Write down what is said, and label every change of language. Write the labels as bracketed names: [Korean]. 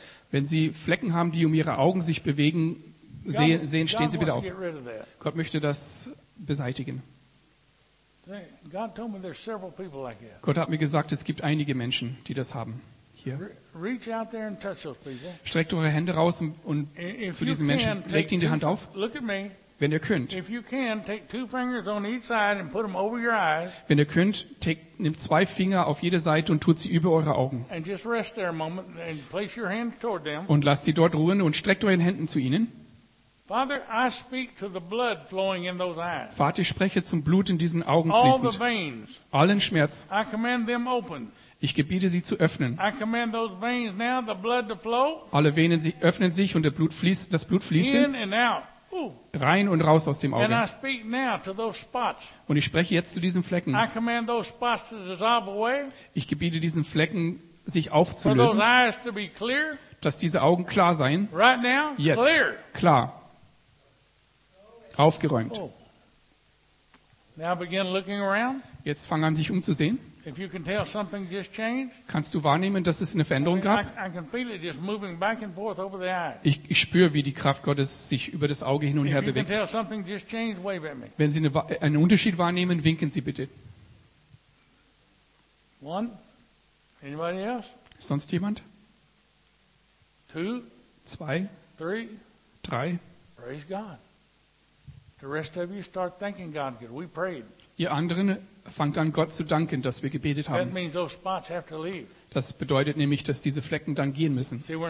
[German] Wenn Sie Flecken haben, die um Ihre Augen sich bewegen, sehen, stehen Sie wieder auf. Gott möchte das beseitigen. Gott hat mir gesagt, es gibt einige Menschen, die das haben. [English] Reach out there and touch those people. [German] Streckt eure Hände raus und zu diesen Menschen. Legt ihnen die Hand auf. [English] Look at me. [German] Wenn ihr könnt. [English] If you can, take two fingers on each side and put them over your eyes. [German] Wenn ihr könnt, nehmt zwei Finger auf jede Seite und tut sie über eure Augen. [English] And just rest there a moment and place your hand toward them. [German] Und lasst sie dort ruhen und streckt eure Hände zu ihnen. [English] Father, I speak to the blood flowing in those eyes. [German] Vater, ich spreche zum Blut in diesen Augen fließend. [English] All the veins. [German] Allen Schmerz. [English] I command them open. [German] Ich gebiete sie zu öffnen. [English] I command those veins now, the blood to flow. [German] Alle Venen öffnen sich und das Blut fließt [English] in and out. [German] Rein und raus aus dem Auge. [English] And I speak now to those spots. [German] Und ich spreche jetzt zu diesen Flecken. [English] I command those spots to dissolve away. [German] Ich gebiete diesen Flecken, sich aufzulösen. [English] For those eyes to be clear. [German] Dass diese Augen klar seien. [English] Right now, [German] jetzt. [English] Clear. [German] Klar. Aufgeräumt. [English] Oh. Now begin looking around. [German] Jetzt fang an, dich umzusehen. [English] If you can tell something just changed, [German] kannst du wahrnehmen, dass es eine Veränderung gab? [English] I can feel it just moving back and forth over the eye. [German] Ich spüre, wie die Kraft Gottes sich über das Auge hin und her bewegt. [English] If you can tell something just changed, wave at me. [German] Wenn Sie einen Unterschied wahrnehmen, winken Sie bitte. [English] One. Anybody else? [German] Sonst jemand? [English] Two. [German] Zwei. [English] Three. [German] Drei. [English] Praise God. The rest of you start thanking God because we prayed. [German] Ihr anderen fangt an, Gott zu danken, dass wir gebetet haben. [English] That means those spots have to leave. [German] Das bedeutet nämlich, dass diese Flecken dann gehen müssen.